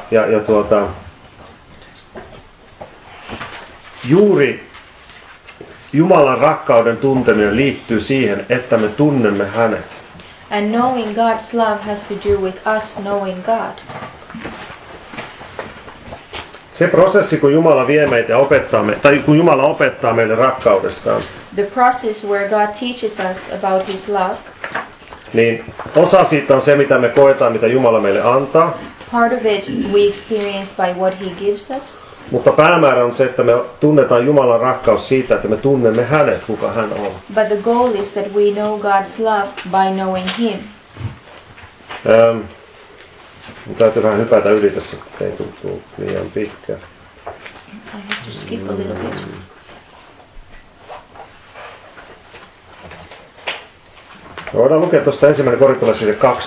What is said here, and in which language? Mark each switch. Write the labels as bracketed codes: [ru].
[fi] Ja tuota juuri Jumalan rakkauden tunteminen liittyy siihen, että me tunnemme hänet. [en] And knowing God's love has to do with us knowing God. [fi] Se prosessi, kun Jumala vie meitä ja opettaa me, tai kun Jumala opettaa meille rakkaudestaan. [en] The process where God teaches us about his love. [fi] Niin osa siitä on se, mitä me koetaan, mitä Jumala meille antaa. [en] Part of it we experience by what he gives us. [fi] Mutta päämäärä on se, että me tunnetaan Jumalan rakkaus siitä, että me tunnemme hänet, kuka hän on. [en] But the goal is that we know God's love by knowing him. [fi] Täytyy vähän hypätä yli tässä, että ei tullut liian pitkä. [en] I have to skip a little bit. [fi] Voidaan lukea tuosta ensimmäinen korintolaiskirja 12.31.